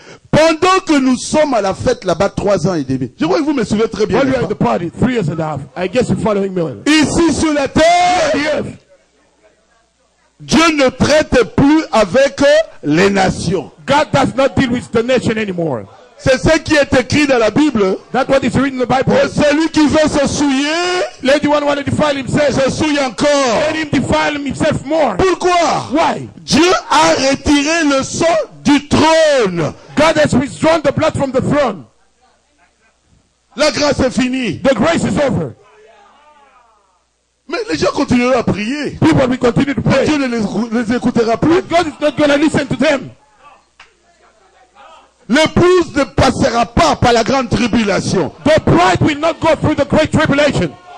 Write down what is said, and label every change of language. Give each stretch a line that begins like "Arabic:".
French: Pendant que nous sommes à la fête là-bas, 3 ans et demi. Je crois que vous me suivez très bien.
English: While you're at the party, 3 years and a half. I guess you're following me well.
French: Ici sur la terre. Dieu ne traite plus avec les nations.
English: God does not deal with the nation anymore.
French: C'est ce qui est écrit dans la Bible.
English: That's what is written in the Bible.
French: Et celui qui veut se souiller,
English: let the one who wants to defile himself,
French: se souille encore.
English: Let him defile himself more.
French: Pourquoi?
English: Why?
French: Dieu a retiré le sang du trône.
English: God has withdrawn the blood from the throne.
French: La grâce est finie.
English: The grace is over.
French: Mais les gens continueront à prier.
English: People will continue to pray.
French: Dieu ne les écoutera plus.
English: But God is not going to listen to them.
French: L'épouse ne passera pas par la grande tribulation.
English: The bride will not go through the great tribulation.